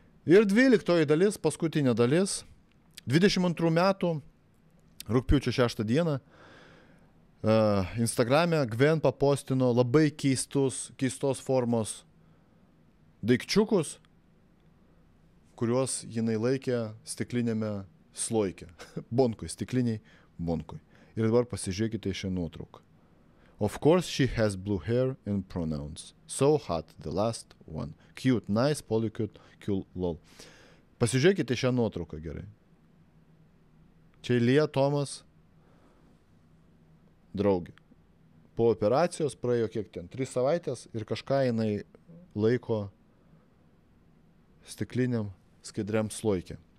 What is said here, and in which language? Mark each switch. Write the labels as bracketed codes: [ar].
[lt] Ir 12 dalis, paskutinė dalis, 22 metų, rugpjūčio 6 dieną, Instagram'e Gwen papostino labai keistos formos daikčiukus, kuriuos jinai laikė stiklinėme sloike. Bonkui, stikliniai bonkui. Ir dabar pasižiūrėkite į šią nuotrauką. [en] Of course she has blue hair and pronouns. So hot, the last one. Cute, nice, polycute, cool, lol. [lt] Pasižiūrėkite šią nuotrauką gerai. Čia Lia Thomas draugė. Po operacijos praėjo kiek ten, 3 savaitės ir kažką jinai laiko stikliniam skaidriam sluoikė.